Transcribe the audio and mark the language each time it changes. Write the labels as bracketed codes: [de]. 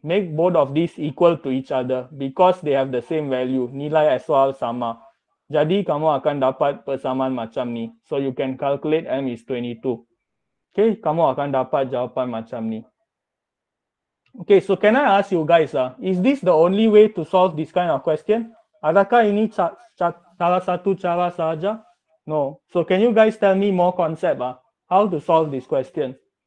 [en] Make both of these equal to each other because they have the same value. [ms] Nilai SOR sama. Jadi, kamu akan dapat persamaan macam ni. [en] So, you can calculate M is 22. [ms] Okay, kamu akan dapat jawapan macam ni. [en] Okay, so can I ask you guys, is this the only way to solve this kind of question? [ms] Adakah ini salah satu cara sahaja? No. [en] So, can you guys tell me more concept, how to solve this question?